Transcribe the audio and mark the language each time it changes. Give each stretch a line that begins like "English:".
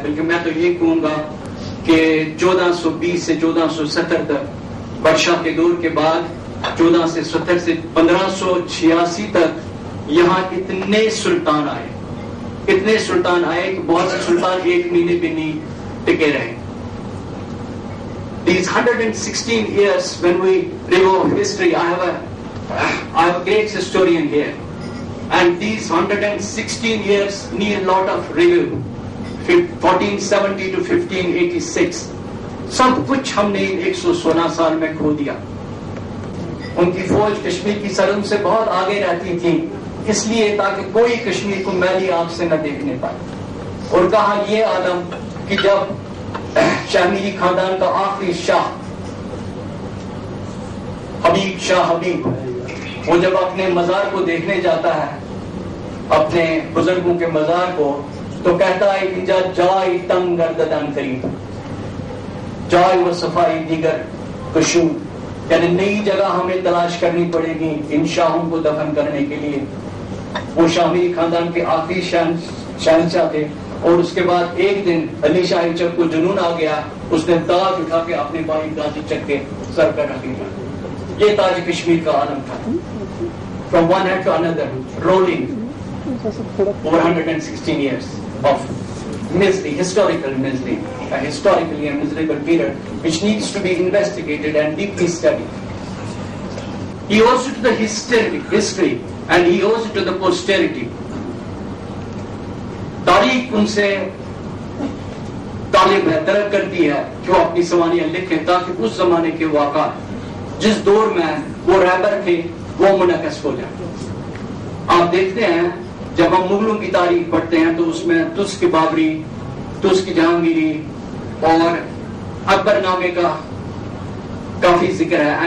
Hindi: बल्कि मैं तो ये कहूंगा कि 1420 से 1470 तक बर्षा के दौर के बाद 1470 से 1586 तक यहाँ इतने सुल्तान आए, इतने सुल्तान आए कि बहुत से सुल्तान एक महीने भी नहीं टिके रहे.
English: These 116 years when we review of history, I have a great historian here. And these 116 years need a lot of review. 1470 to 1586.
Hindi: सब कुछ हमने 116 साल में खो दिया. उनकी फौज कश्मीर की सरहद से बहुत आगे रहती थी, इसलिए ताकि कोई कश्मीर को मैली आंख से न देखने पाए. और कहा ये आलम कि जब शाहमीरी खानदान का आखिरी शाह हबीब शाह हबीब, वो जब अपने मजार को देखने जाता है, अपने बुजुर्गों के मजार को, तो कहता है कि जाई तम गर्दन करीब, जाई वो सफाई दीगर कशू, यानी नई जगह हमें तलाश करनी पड़ेगी इन शाहों को दफन करने के लिए. वो शामी खानदान के आखिरी शहनशाह थे. और उसके बाद एक दिन अली शाह चक को जुनून आ गया, उसने ताज उठा के अपने भाई गाजी चक के सर पर रख लिया. ये ताज कश्मीर का आलम था.
English: From one head to another rolling Over 116 years of misery, historical misery, a historically a miserable period, which needs to be investigated and deeply studied. He owes it to the history, and he owes it to the posterity.
Hindi: तारीख उनसे तालिब है, तरक करती है कि वो अपनी सवानियां लिखें ताकि उस जमाने के वाका जिस दौर में वो रहबर थे वो मुनक्कस हो जाए. आप देखते हैं जब हम मुगलों की तारीख पढ़ते हैं तो उसमें तुस्क बाबरी, तुस्क जहांगीरी और अकबर नामे का काफी जिक्र है.